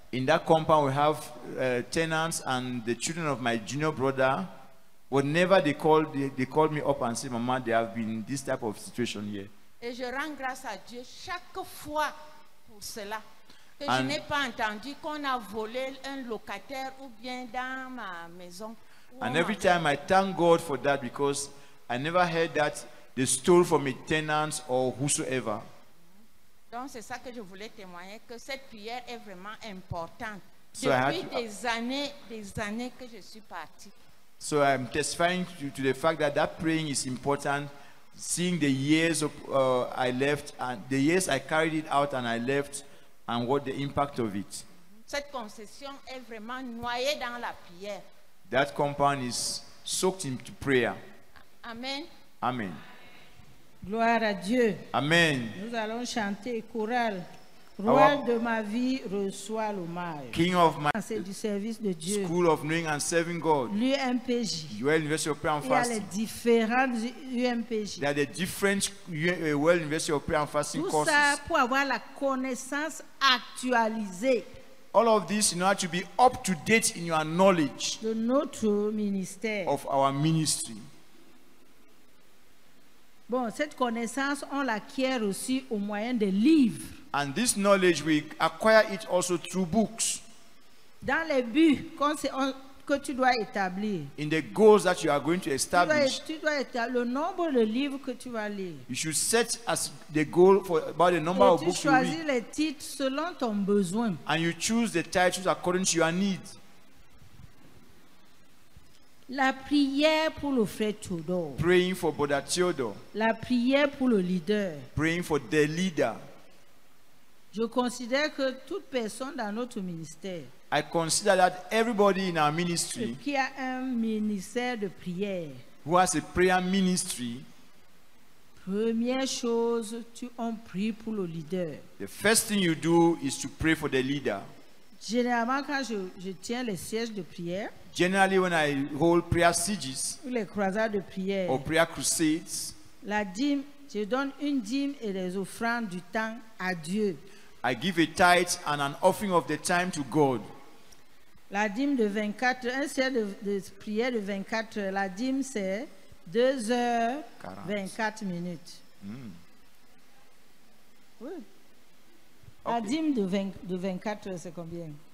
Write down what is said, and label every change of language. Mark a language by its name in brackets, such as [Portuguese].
[English] In that compound, we have tenants and the children of my junior brother. But never they called me up and said, "Mama, there have been this type of situation here." [French] Et je rends grâce à Dieu chaque fois pour cela. Que je n'ai pas entendu qu'on a volé un locataire ou bien dans ma maison. [English] And every time I thank God for that because I never heard that they stole from a tenant or whosoever. [French] Donc c'est ça que je voulais témoigner, que cette prière est vraiment importante. Depuis des années que je suis partie. [English] So I'm testifying to the fact that that praying is important, seeing the years of, I left and the years I carried it out and I left, and what the impact of it. [French] Cette concession est vraiment noyée dans la prière. [English] That compound is soaked in prayer. Amen. Amen. [French] Gloire à Dieu. Amen. Nous allons chanter chorale. Roi de ma vie reçoit l'hommage. [English] King of my [French] du service de Dieu. [English] School of knowing and serving God. [French] L'UMPJ. [English] Well, University of Prayer and Fasting. [French] Il y a les différentes UMPJ. [English] There are the different Well, University of Prayer and Fasting [French] Tout [English] courses. [French] Tout ça pour avoir la connaissance actualisée. [English] All of this in order to be up to date in your knowledge. [French] De notre ministère. [English] Of our ministry. [French] Bon, cette connaissance, on l'acquiert aussi au moyen des livres. [English] And this knowledge, we acquire it also through books. [French] Dans les buts que tu dois établir. [English] In the goals that you are going to establish. [French] Tu dois établir le nombre de livres que tu vas lire. [English] You should set as the goal for about the number [French] Et [English] of books you read. [French] Tu choisis les titres selon ton besoin. [English] And you choose the titles according to your need. [French] La prière pour le frère Théodore. [English] Praying for Brother Theodore. [French] La prière pour le leader. [English] Praying for the leader. [French] Je considère que toute personne dans notre ministère. [English] I consider that everybody in our ministry. [French] Qui a un ministère de prière. [English] Who has a prayer ministry. [French] Première chose, tu en pries pour le leader. [English] The first thing you do is to pray for the leader. [French] Généralement, quand je tiens les sièges de prière. [English] Generally, when I hold prayer sieges, [French] les croisades de prière, [English] or prayer crusades, [French] la dîme, je donne une dîme et les offrandes du temps à Dieu. [English] I give a tithe and an offering of the time to God. [French] La dîme de 24, un siège de prière de 24, la dîme c'est 2h24. Oui. Okay. La dîme de 24, c'est combien?